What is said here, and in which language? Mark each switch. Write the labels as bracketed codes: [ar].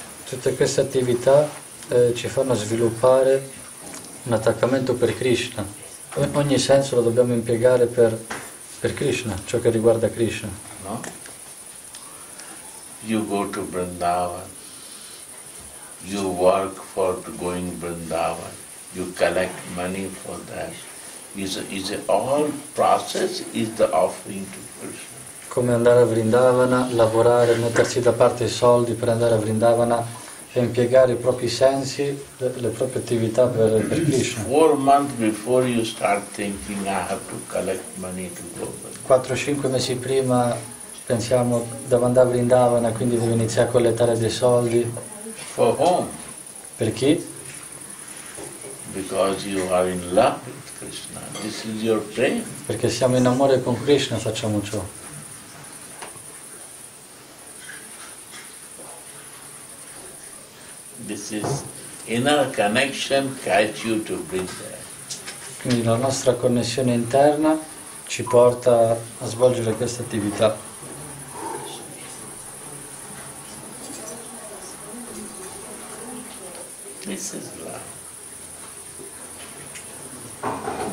[it] Tutte queste attività ci fanno sviluppare un attaccamento per Krishna. Ogni senso lo dobbiamo impiegare per Krishna, ciò che riguarda Krishna. No? [en] You go to Vrindavan, you work for going to Vrindavan, you collect money for that. Is all process is the offering to Krishna. [it] Come andare a Vrindavana, lavorare, mettersi da parte i soldi per andare a Vrindavana, e impiegare i propri sensi, le proprie attività per Krishna. [en] 4 months before you start thinking, I have to collect money to go. [it] 4-5 mesi prima pensiamo devo andare a Vrindavana, quindi devo iniziare a collettare dei soldi. [en] For whom? [it] Per chi? [en] Because you are in love with Krishna. This is your dream. [it] Perché siamo in amore con Krishna, facciamo ciò. [en] This is inner connection guides you to bring there. [it] Quindi la nostra connessione interna ci porta a svolgere questa attività. [en] This is love.